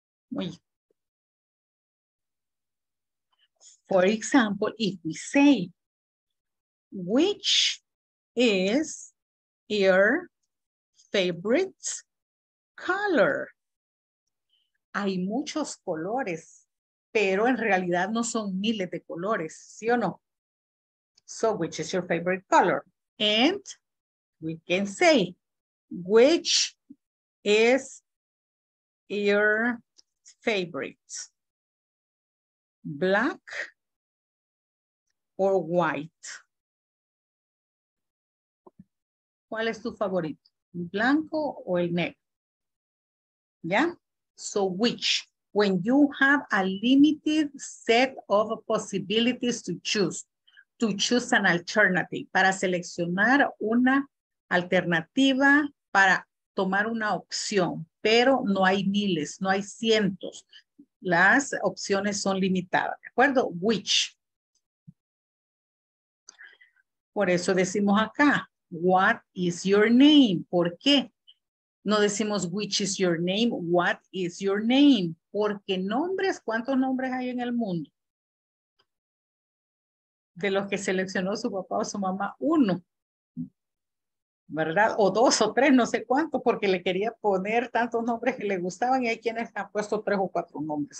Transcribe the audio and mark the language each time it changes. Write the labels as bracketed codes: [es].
[es] Muy. [en] For example, if we say, which is your favorite color? [es] Hay muchos colores, pero en realidad no son miles de colores, ¿sí o no? [en] So, which is your favorite color? And we can say, which is your favorite? Black or white? [es] ¿Cuál es tu favorito? ¿Blanco o el negro? ¿Ya? [en] So which, when you have a limited set of possibilities to choose an alternative, [es] para seleccionar una alternativa, para tomar una opción, pero no hay miles, no hay cientos. Las opciones son limitadas, ¿de acuerdo? Which. Por eso decimos acá, [en] what is your name? [es] ¿Por qué? No decimos [en] which is your name, what is your name? [es] Porque nombres, ¿cuántos nombres hay en el mundo? De los que seleccionó su papá o su mamá, uno. ¿Verdad? O dos o tres, no sé cuánto, porque le quería poner tantos nombres que le gustaban y hay quienes han puesto tres o cuatro nombres.